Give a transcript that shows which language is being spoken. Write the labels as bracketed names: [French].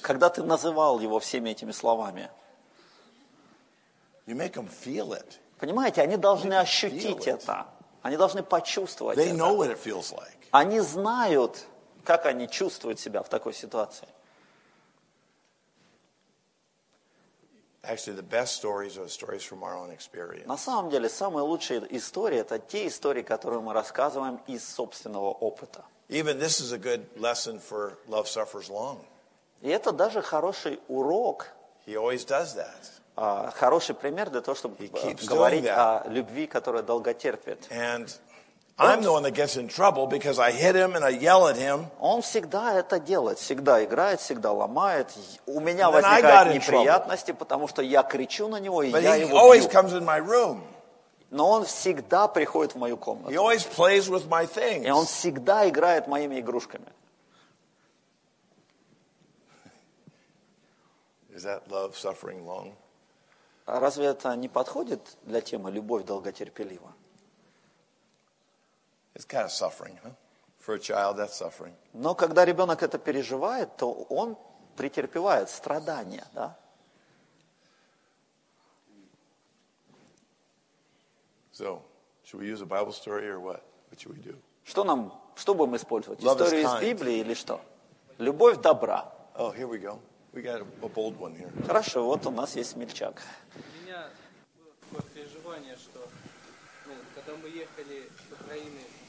[Russian] Когда ты называл его всеми этими словами? [English] You make them feel it. [Russian] Понимаете, они должны ощутить это. Они должны почувствовать [English] they [Russian] это. [English] They know what it feels like. [Russian] Они знают, как они чувствуют себя в такой ситуации. [English] Actually, the best stories are stories from our own experience. [Russian] На самом деле, самые лучшие истории это те истории, которые мы рассказываем из собственного опыта. [English] Even this is a good lesson for love suffers long. [Russian] И это даже хороший урок. [English] He always does that. [Russian] Хороший пример для того, чтобы говорить о любви, которая долготерпит. [English] And I'm the one that gets in trouble because I hit him and I yell at him. [Russian] Он всегда это делает, всегда играет, всегда ломает. У меня возникают неприятности, потому что я кричу на него и я его бью. [English] But he always comes in my room. [Russian] Но он всегда приходит в мою комнату. [English] He always plays with my things. [Russian] И он всегда играет моими игрушками. [English] Is that love suffering long? [Russian] А разве это не подходит для темы «Любовь долготерпелива»? [English] It's kind of suffering, huh? For a child, that's suffering. [Russian] Но когда ребенок это переживает, то он претерпевает страдания, да? [English] So, should we use a Bible story or what? What should we do? [Russian] Что нам, что будем использовать? Историю из Библии или что? Любовь добра. [English] Oh, here we go. We got a bold one here. [Russian] Хорошо, вот у нас есть смельчак. У меня было такое переживание, что когда мы ехали с Украины.